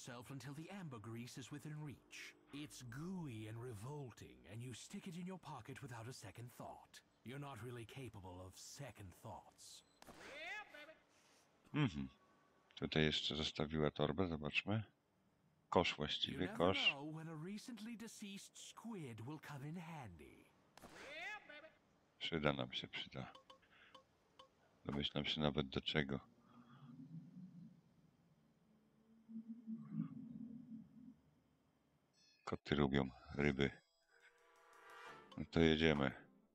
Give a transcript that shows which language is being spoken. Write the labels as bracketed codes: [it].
[en] Until the ambergris is within reach. It's gooey and revolting, and you stick it in your pocket without a second thought. You're not really capable of second thoughts. Mhm. [pl] Tutaj jeszcze zostawiła torbę, zobaczmy. Kosz właściwie, kosz. [en] You never know when a recently deceased squid will come in handy. [pl] Przyda nam się, przyda. Domyślam się nawet do czego. Koty lubią ryby. No to jedziemy.